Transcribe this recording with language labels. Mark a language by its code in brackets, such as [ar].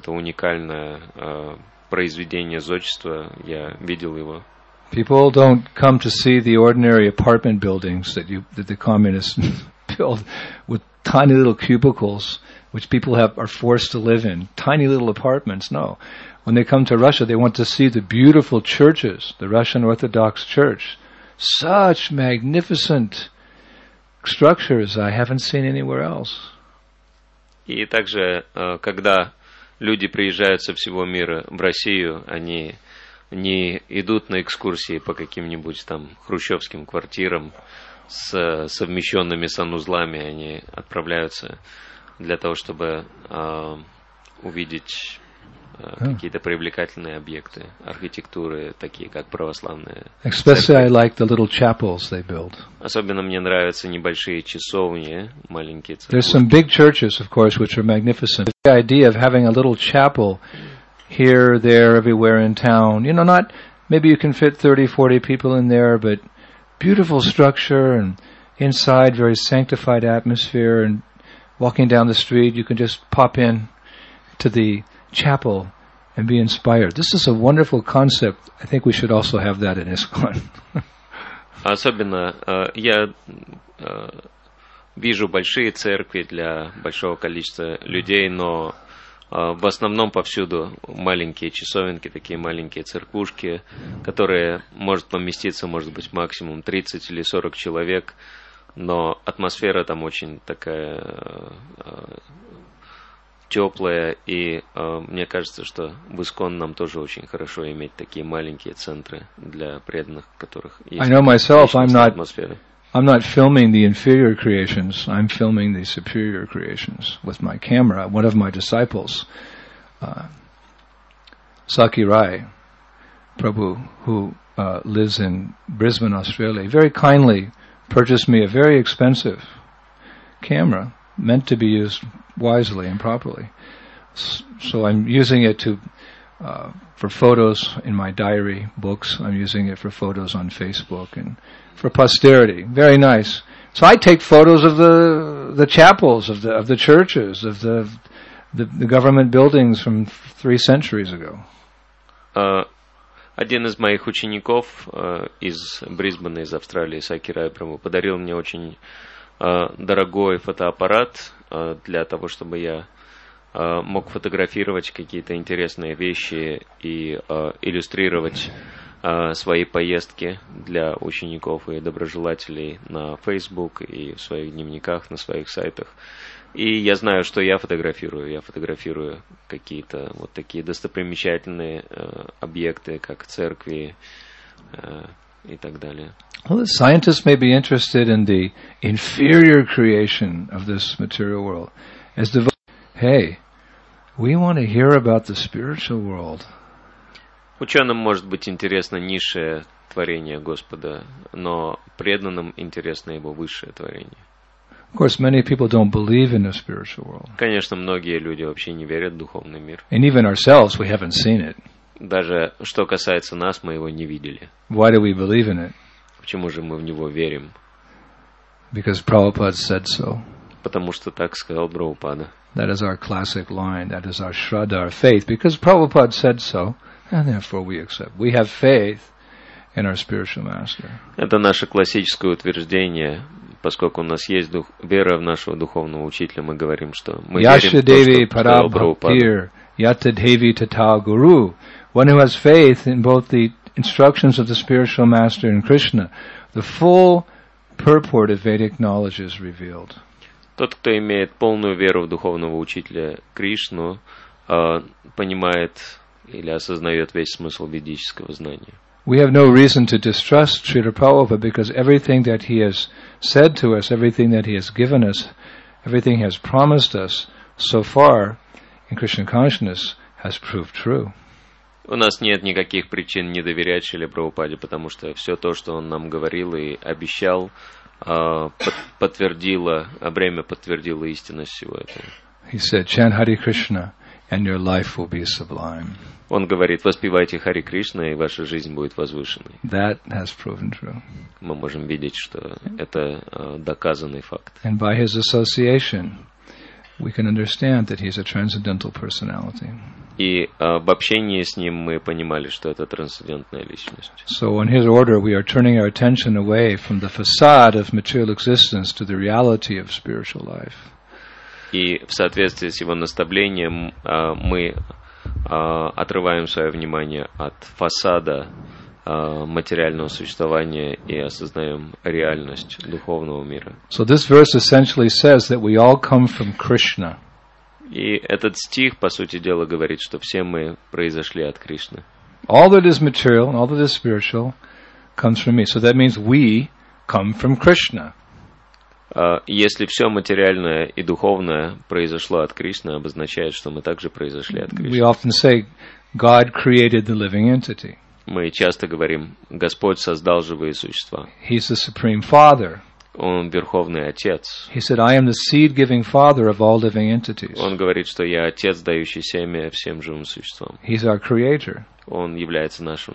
[ru] Это уникальное произведение зодчества. Я видел его. [en] People don't come to see the ordinary apartment buildings that the communists build with tiny little cubicles, which people are forced to live in. Tiny little apartments, no. When they come to Russia, they want to see the beautiful churches, the Russian Orthodox Church. Such magnificent structures I haven't seen anywhere else. [ru] И также, когда люди приезжают со всего мира в Россию, они не идут на экскурсии по каким-нибудь там хрущевским квартирам с совмещенными санузлами. Они отправляются для того, чтобы увидеть какие-то привлекательные объекты архитектуры, такие как православные. [en] Especially I like the little chapels they build. [ru] Особенно мне нравятся небольшие часовни, маленькие церкви. [en] There's some big churches, of course, which are magnificent. The idea of having a little chapel here, there, everywhere in town. You know, not maybe you can fit 30-40 people in there, but beautiful structure and inside very sanctified atmosphere, and walking down the street you can just pop in to the chapel and be inspired. This is a wonderful concept. I think we should also have that in ISKCON. [ru] Особенно я вижу большие церкви для большого количества людей, но в основном повсюду маленькие часовенки, такие маленькие церквушки, которые может поместиться, может быть, максимум 30 или 40 человек, но атмосфера там очень такая теплая, и мне кажется, что в ИСКОН нам тоже очень хорошо иметь такие маленькие центры для преданных, которых есть. [en] I know myself, I'm not filming the inferior creations, I'm filming the superior creations with my camera. One of my disciples, Sakirai Prabhu, who lives in Brisbane, Australia, very kindly purchased me a very expensive camera meant to be used wisely and properly. So I'm using it to for photos in my diary books. I'm using it for photos on Facebook and for posterity. Very nice. So I take photos of the chapels, of the churches, of the government buildings from 3 centuries ago. [ru] Один из моих учеников из Брисбена, из Австралии, Сакирай Прабу, подарил мне очень дорогой фотоаппарат для того, чтобы я мог фотографировать какие-то интересные вещи и иллюстрировать свои поездки для учеников и доброжелателей на Facebook и в своих дневниках, на своих сайтах. И я знаю, что я фотографирую какие-то вот такие достопримечательные объекты, как церкви и так далее. [en] Well, the scientists may be interested in the inferior creation of this material world. As the hey, we want to hear about the spiritual world. [ru] Ученым может быть интересно низшее творение Господа, но преданным интересно его высшее творение. [en] Of course, many people don't believe in the spiritual world. [ru] Конечно, многие люди вообще не верят в духовный мир. [en] And even ourselves, we haven't seen it. [ru] Даже что касается нас, мы его не видели. [en] Why do we believe in it? [ru] Почему же мы в него верим? [en] Because Prabhupada said so. [ru] Потому что так сказал Прабхупада. [en] That is our classic line. That is our shraddha, our faith. Because Prabhupada said so, and therefore we accept. We have faith in our spiritual master. [ru] Это наше классическое утверждение. Поскольку у нас есть дух, вера в нашего духовного учителя, мы говорим, что мы Yashadevi верим в то, что сказал [sa] Yatadevi Tata Guru, [en] one who has faith in both the instructions of the spiritual master and Krishna, the full purport of Vedic knowledge is revealed. [ru] Тот, кто имеет полную веру в духовного учителя Кришну, понимает или осознает весь смысл ведического знания. [en] We have no reason to distrust Srila Prabhupada because everything that he has said to us, everything that he has given us, everything he has promised us so far in Krishna consciousness has proved true. [ru] У нас нет никаких причин не доверять Шриле Прабхупаде, потому что все то, что он нам говорил и обещал, подтвердило истинность всего этого. [en] He said, "Chant Hare Krishna, and your life will be sublime." [ru] Он говорит, воспевайте Хари Кришна, и ваша жизнь будет возвышенной. [en] That has proven true. [ru] Мы можем видеть, что это доказанный факт. [en] And by his association, we can understand that he's a transcendental personality. [ru] И в общении с ним мы понимали, что это трансцендентная личность. [en] So on his order, we are turning our attention away from the facade of material existence to the reality of spiritual life. [ru] И в соответствии с его наставлением, мы отрываем свое внимание от фасада материального существования и осознаем реальность духовного мира. [en] So this verse essentially says that we all come from Krishna. [ru] И этот стих, по сути дела, говорит, что все мы произошли от Кришны. [en] All that is material and all that is spiritual comes from me. So that means we come from Krishna. [ru] Если все материальное и духовное произошло от Кришны, обозначает, что мы также произошли от Кришны. [en] We often say, God created the living entity. [ru] Мы часто говорим, Господь создал живые существа. [en] He's the supreme father. [ru] Он Верховный Отец. [en] He said, I am the seed-giving father of all living entities. [ru] Он говорит, что я Отец, дающий семя всем живым существам. [en] He's our creator. [ru] Он является нашим.